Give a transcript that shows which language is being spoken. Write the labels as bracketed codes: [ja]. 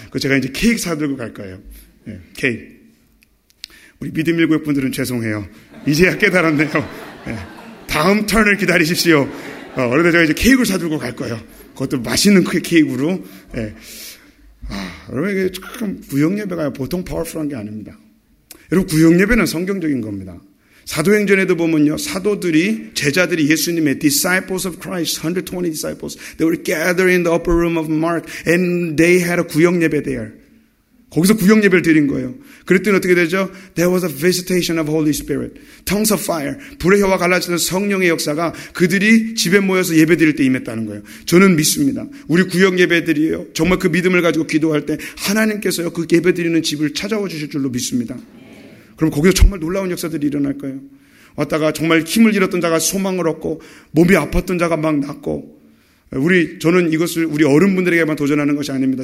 [ko] 그래서 제가 이제 케이크 사들고 갈 거예요. 네, 케이크. 우리 믿음 일구역 분들은 죄송해요. 이제야 깨달았네요. 네. 다음 턴을 기다리십시오. 그런데 제가 이제 케이크를 사들고 갈 거예요. 그것도 맛있는 케이크로. 네. 아, 여러분 이게 조금 구역예배가 보통 파워풀한 게 아닙니다. 여러분 구역예배는 성경적인 겁니다. 사도행전에도 보면요. 사도들이, 제자들이 예수님의 [en] Disciples of Christ, 120 Disciples. They were gathered in the upper room of Mark and they had a 구역예배 there. [ko] 거기서 구역예배를 드린 거예요. 그랬더니 어떻게 되죠? [en] There was a visitation of Holy Spirit. Tongues of fire. [ko] 불의 혀와 갈라지는 성령의 역사가 그들이 집에 모여서 예배 드릴 때 임했다는 거예요. 저는 믿습니다. 우리 구역예배들이요. 정말 그 믿음을 가지고 기도할 때 하나님께서요, 그 예배 드리는 집을 찾아와 주실 줄로 믿습니다. 그럼 거기서 정말 놀라운 역사들이 일어날 거예요. 왔다가 정말 힘을 잃었던 자가 소망을 얻고 몸이 아팠던 자가 막 낫고, 저는 이것을 우리 어른분들에게만 도전하는 것이 아닙니다.